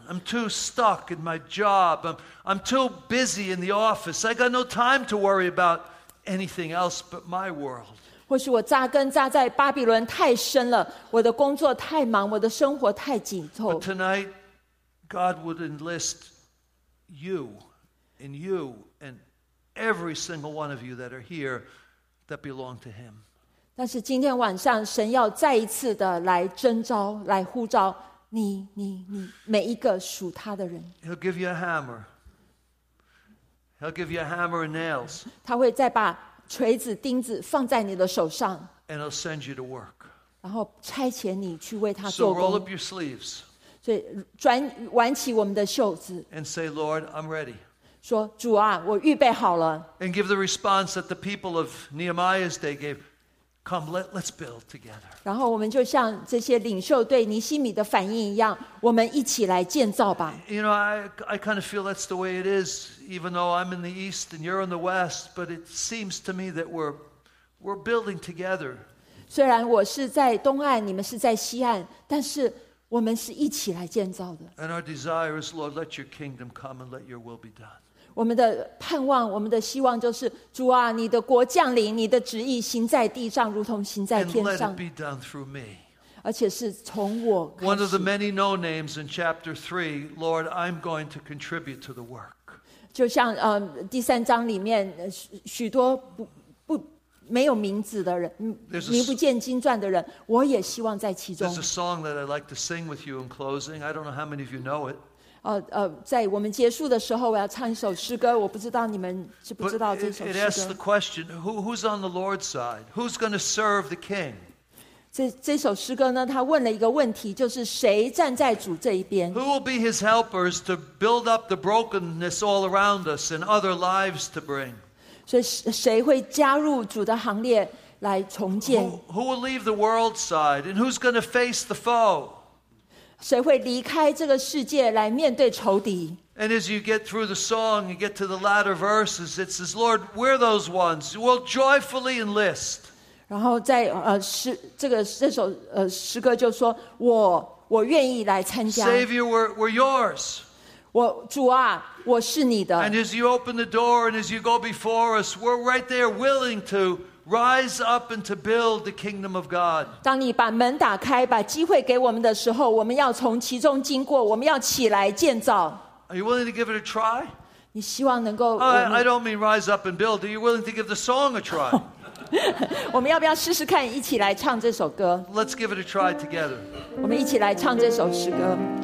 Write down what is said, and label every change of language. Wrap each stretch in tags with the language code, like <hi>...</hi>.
<en>I'm too stuck in my job. I'm too busy in the office. I got no time to worry about. Anything else but my world.</en> <zh>或许我扎根扎在巴比伦太深了，我的工作太忙，我的生活太紧凑。</zh> <en>But tonight, God would enlist you, and you, and every single one of you that are here that belong to Him.</en> <zh>但是今天晚上，神要再一次的来征召，来呼召你，你每一个属他的人。</zh> <en>He'll give you a hammer. He'll give you a hammer and nails.</en> <zh>他会再把锤子、钉子放在你的手上。</zh> <en>And he'll send you to work.</en> <zh>然后差遣你去为他做工。</zh> <en>So roll up your sleeves.</en> <zh>所以挽起我们的袖子。</zh> <en>And say, Lord, I'm ready.</en> <zh>说主啊，我预备好了。</zh> <en>And give the response that the people of Nehemiah's day gave. Come, let's build together.</en> <zh>然后我们就像这些领袖对尼希米的反应一样，我们一起来建造吧。</zh> <en>You know, I kind of feel that's the way it is. Even though I'm in the east and you're in the west, but it seems to me that we're building together.</en> <zh>虽然我是在东岸，你们是在西岸，但是我们是一起来建造的。</zh> <en>And our desire is, Lord, let Your kingdom come and let Your will be done.</en> <zh>我们的盼望，我们的希望就是主啊，你的国降临，你的旨意行在地上，如同行在天上。</zh> <en>And let it be done through me.</en> <zh>而且是从我开始。</zh> <en>One of the many no names in chapter 3, Lord, I'm going to contribute to the work.</en> <zh>就像第三章里面许多不没有名字的人，名不见经传的人，我也希望在其中。</zh> <en>There's a song that I'd like to sing with you in closing. I don't know how many of you know it.</en> <zh>在我们结束的时候，我要唱一首诗歌。我不知道你们知不知道这首诗歌。</zh> <en>But it asks the question, who's on the Lord's side? Who's going to serve the King?</en> <zh>这首诗歌呢，他问了一个问题，就是谁站在主这一边</zh> <en>？Who will be His helpers to build up the brokenness all around us and other lives to bring？</en> <zh>所以谁会加入主的行列来重建</zh> <en>？Who will leave the world side and who's going to face the foe？</en> <zh>谁会离开这个世界来面对仇敌</zh> <en>And as you get through the song, you get to the latter verses, it says, Lord, we're those ones. We'll joyfully enlist.</en> <zh>然后在这首诗歌就说，我愿意来参加。</zh> <en>Savior, we're yours.</en> <zh>主啊，我是你的。</zh> <en>And as you open the door and as you go before us, we're right there willing to rise up and to build the kingdom of God.</en> <zh>当你把门打开，把机会给我们的时候，我们要从其中经过，我们要起来建造。</zh> <en>Are you willing to give it a try?</en> <zh>你希望能够</zh> <en>I don't mean rise up and build. Are you willing to give the song a try?</en> <zh>我们要不要试试看一起来唱这首歌</zh> <en>Let's give it a try together.</en> <zh>我们一起来唱这首诗歌</zh>